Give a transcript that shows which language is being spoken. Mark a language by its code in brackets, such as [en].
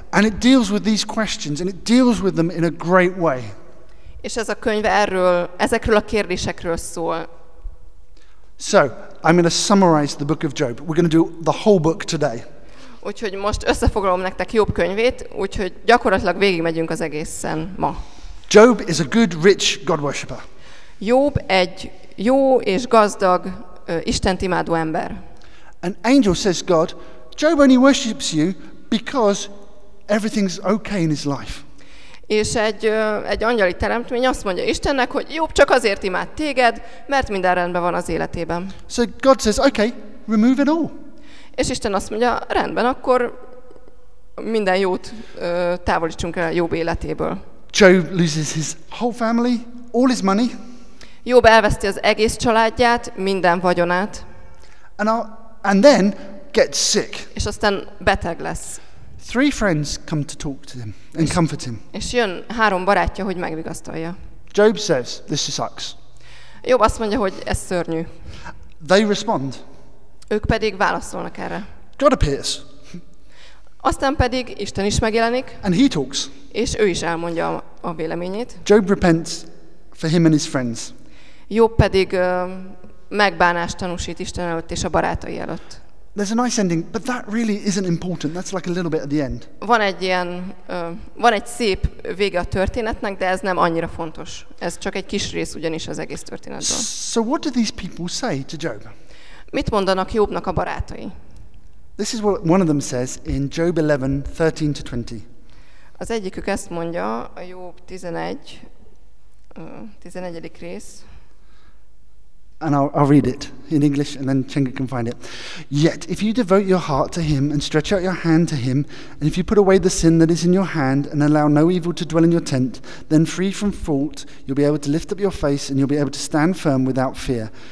[en] And it deals with these questions, and it deals with them in a great way. [hu] És ez a könyv ezekről a kérdésekről szól. [en] So, I'm going to summarize the book of Job. We're going to do the whole book today. [hu] Úgyhogy most összefoglalom nektek Jób könyvét, úgyhogy gyakorlatilag végigmegyünk az egészen ma. [en] Job is a good, rich God worshipper. [hu] Jób egy jó és gazdag Istent imádó ember. [en] An angel says God, Job only worships you because everything's okay in his life. [hu] És egy angyali teremtmény azt mondja Istennek, hogy Jób csak azért imád téged, mert minden rendben van az életében. [en] So God says, okay, remove it all. [hu] És Isten azt mondja, rendben, akkor minden jót távolítsunk el Jób életéből. [en] Job loses his whole family, all his money. [hu] Jób elveszti az egész családját, minden vagyonát. [en] And then gets sick. [hu] És aztán beteg lesz. [en] Three friends come to talk to him and comfort him. [hu] És jön három barátja, hogy megvigasztalja. [en] Job says, this sucks. [hu] Job azt mondja, hogy ez szörnyű. [en] They respond. [hu] Ők pedig válaszolnak erre. [en] God appears. [hu] Aztán pedig Isten is megjelenik. [en] And he talks. [hu] És ő is elmondja a véleményét. [en] Job repents for him and his friends. [hu] Job pedig megbánást tanúsít Isten előtt és a barátai előtt. [en] There's a nice ending, but that really isn't important. That's like a little bit at the end. [hu] Van egy szép vége a történetnek, de ez nem annyira fontos. Ez csak egy kis rész ugyanis az egész történetből. [en] So what do these people say to Job? [hu] Mit mondanak Jobnak a barátai? [en] This is what one of them says in Job 11, 13 to 20. [hu] Az egyikük ezt mondja, a Job 11, 11. rész. [en] And I'll read it in English and then Chenga can find it. Yet, if you devote your heart to him and stretch out your hand to him, and if you put away the sin that is in your hand and allow no evil to dwell in your tent, then free from fault, you'll be able to lift up your face and you'll be able to stand firm without fear.